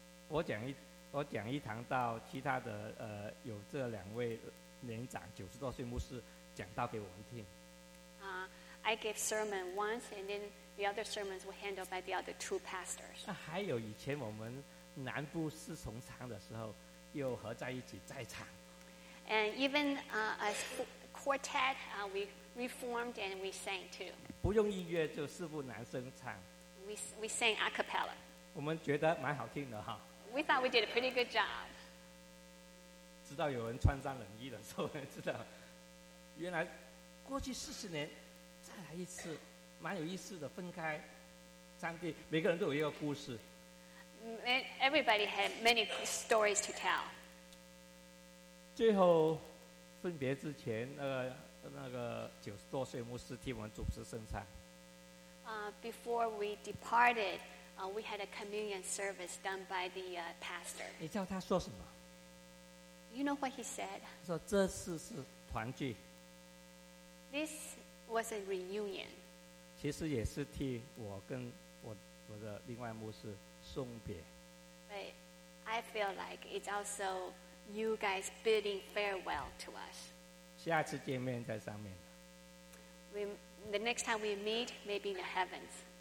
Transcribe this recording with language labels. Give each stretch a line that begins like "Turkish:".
Chinese: 我讲一堂到其他的有这两位年长九十多岁牧师讲到给我们听。
English: I gave sermon once and then the other sermons were handled by the other two pastors.
Chinese: 那还有以前我们南部侍从长的时候又合在一起在场。
English: And even as quartet, we reformed and we sang too.
Chinese: 不用音乐就四部男声唱。
English: We sang a cappella.
Chinese: 我们觉得蛮好听的哈。
English: We thought we did a pretty good job.
Chinese: 直到有人穿上冷衣的时候，知道原来过去四十年再来一次，蛮有意思的。分开，上帝，每个人都有一个故事。
English: Everybody had many stories to tell.
Chinese: 最后分别之前，那个九十多岁牧师替我们主持圣餐。
English: Before we departed. We had a communion service done by the pastor.
Chinese: 你知道他说什么？
English: You know what he said?
Chinese: 他说这次是团聚。
English: This was a reunion.
Chinese: 其实也是替我跟我的另外牧师送别。
English: But I feel like it's also you guys bidding farewell to us.
Chinese: 下次见面在上面。
English: The next time we meet, maybe in the heavens.